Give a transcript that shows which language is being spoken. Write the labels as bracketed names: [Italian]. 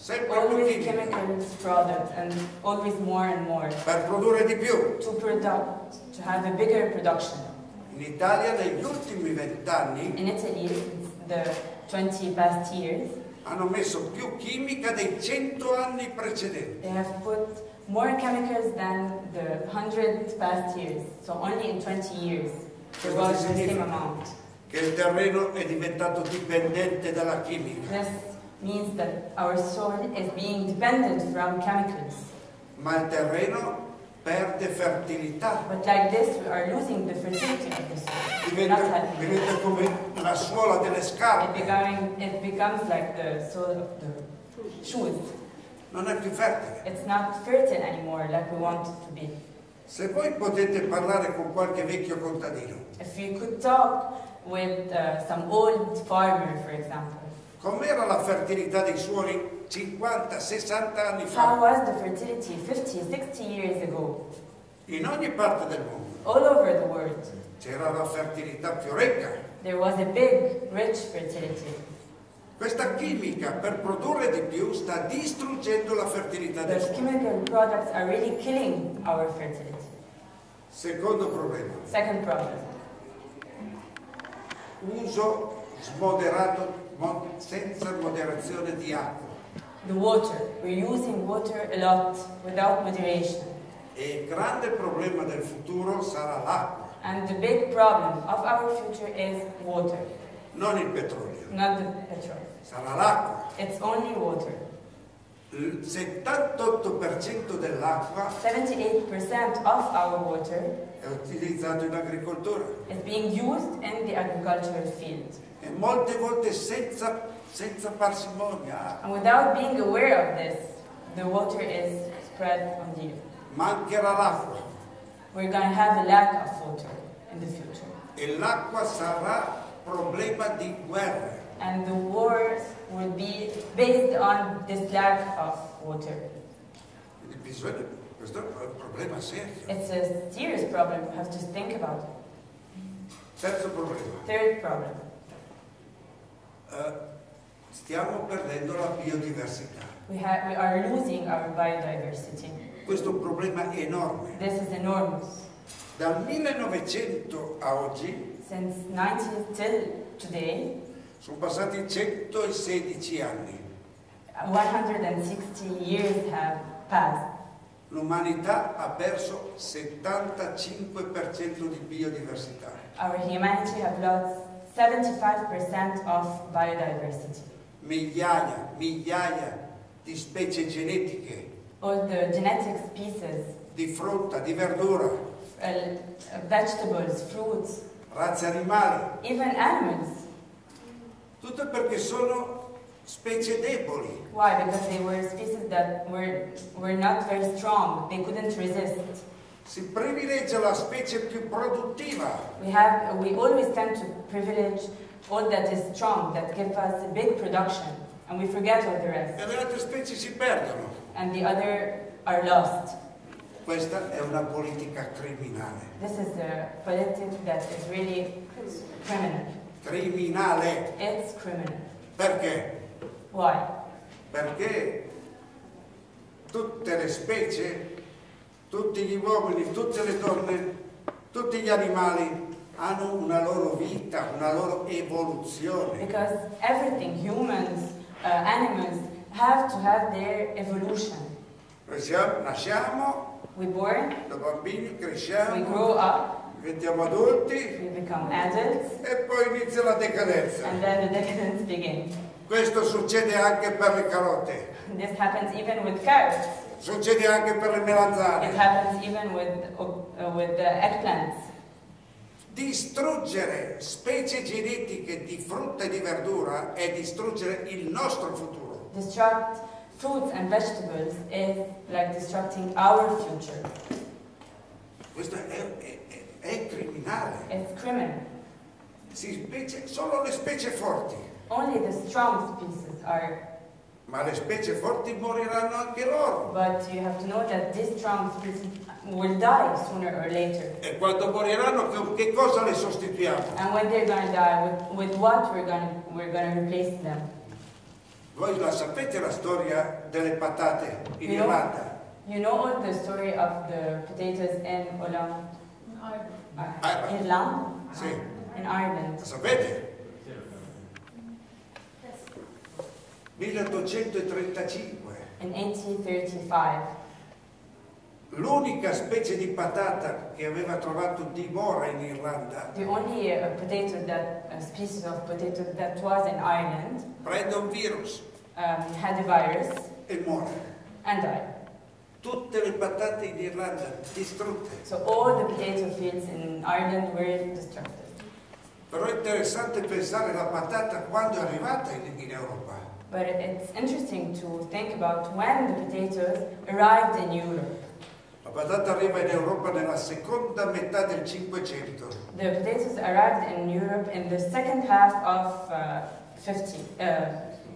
[English] Always chemical products and always more and more. [Italian] Per produrre di più. [English] To produce, to have a bigger production. [Italian] In Italia negli ultimi 20 anni. [English] In Italy, the 20 past years. [Italian] Hanno messo più chimica dei 100 anni precedenti. [English] They have put more chemicals than the 100 past years. So only in 20 years, about the same amount. [Italian] Che il terreno è diventato dipendente dalla chimica. [English] This means that our soil is being dependent from chemicals. [Italian] Ma il terreno perde fertilità. [English] But like this, we are losing the fertility of the soil. [Italian] Diventa come la suola delle scarpe. [English] It becomes like the soil of the shoes. [Italian] Non è più fertile. [English] It's not fertile anymore like we want it to be. [Italian] Se voi potete parlare con qualche vecchio contadino. [English] If you could talk with some old farmer, for example. [Italian] Com'era la fertilità dei suoli 50, 60 anni fa? [English] How was the fertility 50, 60 years ago? [Italian] In ogni parte del mondo. [English] All over the world. [Italian] C'era la fertilità più ricca. [English] There was a big, rich fertility. [Italian] Questa chimica per produrre di più sta distruggendo la fertilità dei suoli. [English] The chemical products are really killing our fertility. [Italian] Secondo problema. [English] Second problem. [Italian] Uso smoderato. Senza moderazione di acqua. [English] The water. We're using water a lot without moderation. [Italian] E il grande problema del futuro sarà l'acqua. [English] And the big problem of our future is water. [Italian] Non il petrolio. [English] Not the petrol. [Italian] Sarà l'acqua. [English] It's only water. [Italian] Il 78% dell'acqua [English] 78% of our water [Italian] è utilizzato in agricoltura. [English] Is being used in the agricultural field. [Italian] E molte volte senza parsimonia. [English] And without being aware of this, the water is spread on the earth. [Italian] Mancherà l'acqua. [English] We're going to have a lack of water in the future. [Italian] E l'acqua sarà problema di guerra. [English] And the wars will be based on this lack of water. [Italian] Questo è un problema serio. [English] It's a serious problem. You have to think about it. [Italian] Terzo problema. [English] Third problem. [Italian] Stiamo perdendo la biodiversità. [English] We are losing our biodiversity. [Italian] Questo è un problema enorme. [English] This is enormous. [Italian] Dal 1900 a oggi. [English] Since 19 till today. [Italian] Sono passati 116 anni. [English] 160 years have passed. [Italian] L'umanità ha perso 75% di biodiversità. [English] Our humanity have lost 75% of biodiversity. [Italian] Migliaia di specie genetiche. [English] All the genetic species. [Italian] Di frutta, di verdura. [English] Vegetables, fruits. [Italian] Razze animali. [English] Even animals. [Italian] Tutto perché sono specie deboli. [English] Why? Because they were species that were not very strong. They couldn't resist. [Italian] Si privilegia la specie più produttiva. [English] We always tend to privilege all that is strong, that gives us a big production, and we forget all the rest. [Italian] E le altre specie si perdono. [English] And the other are lost. [Italian] Questa è una politica criminale. [English] This is a politics that is really criminal. [Italian] Criminale. [English] It's criminal. [Italian] Perché? [English] Why? [Italian] Perché tutte le specie, tutti gli uomini, tutte le donne, tutti gli animali hanno una loro vita, una loro evoluzione. [English] Because everything, humans, animals, have to have their evolution. [Italian] Nasciamo. [English] We born. [Italian] Da bambini cresciamo. [English] We grow up. [Italian] Diventiamo adulti. [English] We become adults. [Italian] E poi inizia la decadenza. [English] And then the decadence begins. [Italian] Questo succede anche per le carote. [English] This happens even with carrots. [Italian] Succede anche per le melanzane. [English] It happens even with the eggplants. [Italian] Distruggere specie genetiche di frutta e di verdura è distruggere il nostro futuro. [English] Destruct fruits and vegetables is like destructing our future. [Italian] Questo è criminale. [English] It's criminal. [Italian] Solo le specie forti. [English] Only the strong species are. [Italian] Ma le specie forti moriranno anche loro. [English] But you have to know that these strong species will die sooner or later. [Italian] E quando moriranno, che cosa le sostituiamo? [English] And when they're going to die, with what we're going to replace them? [Italian] Voi la sapete la storia delle patate in Irlanda? [English] You know the story of the potatoes in Ireland? In Ireland? [Italian] Sì. [English] In Ireland. [Italian] La sapete? 1835. [English] In 1835. [Italian] L'unica specie di patata che aveva trovato dimora in Irlanda. [English] The only potato that a species of potato that was in Ireland. [Italian] Prende un virus. [English] Had a virus. [Italian] E muore. [English] And died. [Italian] Tutte le patate in Irlanda distrutte. [English] So all the potato fields in Ireland were destructed. [Italian] Però è interessante pensare la patata quando è arrivata in Europa. [English] But it's interesting to think about when the potatoes arrived in Europe. [Italian] La patata arriva in Europa nella seconda metà del Cinquecento. [English] The potatoes arrived in Europe in the second half of 500,